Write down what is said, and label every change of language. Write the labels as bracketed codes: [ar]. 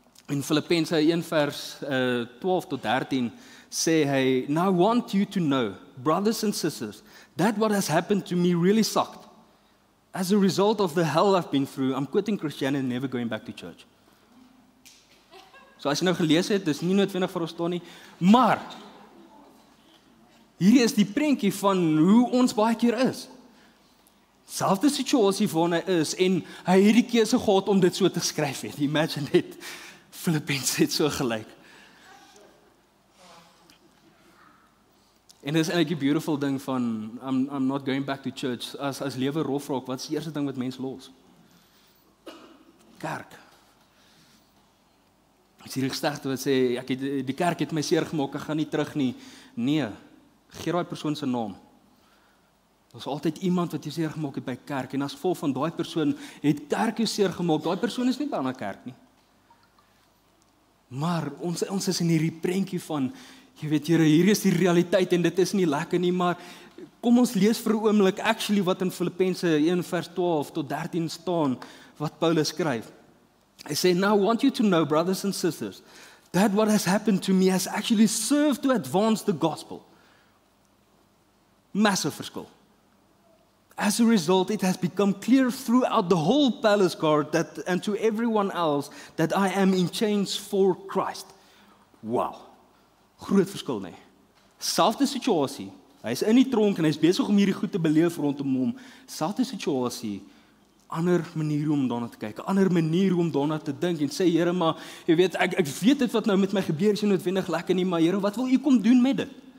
[af] In Filippense 1 vers 12 tot 13 sê hy, [en] Now I want you to know, brothers and sisters, that what has happened to me really sucked. As a result of the hell I've been through, I'm quitting Christianity and never going back to church. [af] So as jy nou gelees het, dis nie noodwendig vir ons daar nie, maar hierdie is die prentjie van hoe ons baie keer is. Selfde situasie waarin hy is en hy het die keuse gehad om dit so te skryf het. Imagine dit, Filippense het so gelyk. En dit is eintlik die beautiful ding van, [en] I'm not going back to church. [af] As lewe rof raak, wat is die eerste ding wat mens los? Kerk. As hierdie gestagte wat sê, die kerk het my seer gemaak, ek gaan nie terug nie. Nee, geer daai persoon se naam. Daar's altyd iemand wat jou seer gemaak het by kerk en as gevolg van daai persoon het kerk jou seer gemaak. Daai persoon is nie by 'n ander kerk nie. Maar ons is in hierdie prentjie van jy weet Here, hier is die realiteit en dit is nie lekker nie, maar kom ons lees vir 'n oomblik actually wat in Filippense 1 vers 12 tot 13 staan wat Paulus skryf. Hy sê [en] now I want you to know brothers and sisters that what has happened to me has actually served to advance the gospel. [af] Massive verskil. [en] As a result, it has become clear throughout the whole palace guard that, and to everyone else that I am in chains for Christ. [af] Wow. Groot verskil, nee. Selfde situasie. Hy is in die tronk en hy is besig om hierdie goed te beleef rondom hom. Selfde situasie. Ander manier om daarna te kyk. Ander manier om daarna te dink en sê, Here, maar jy weet, ek weet dit wat nou met my gebeur is en noodwendig lekker nie, maar Here, wat wil u kom doen met dit?